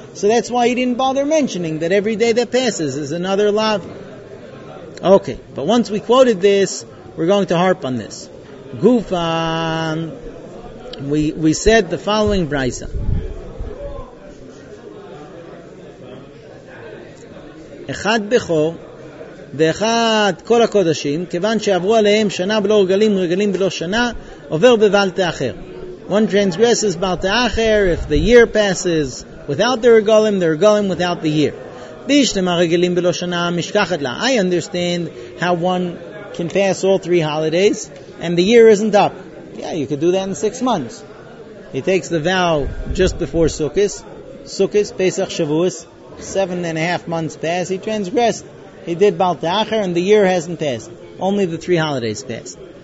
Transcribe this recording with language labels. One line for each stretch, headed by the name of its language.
English: So that's why he didn't bother mentioning that every day that passes is another lav. Okay, but once we quoted this, we're going to harp on this. Gufan, we said the following braisa.
Hebrew: Echad becho, ואחד כל הקודשים, כיוון שעברו עליהם שנה בלא רגלים, רגלים בלא שנה, עובר בבעל תאחר.
English: One transgresses בעל תאחר, if the year passes without the regalim, the regalim without the year.
Hebrew: בישתמה רגלים בלא שנה, משכחת לה.
English: I understand how one can pass all three holidays, and the year isn't up. Yeah, you could do that in 6 months. He takes the vow just before Sukkot. Sukkot, Pesach Shavuos, 7.5 months pass, he transgressed. He did Baal Ta'achar and the year hasn't passed. Only the three holidays passed.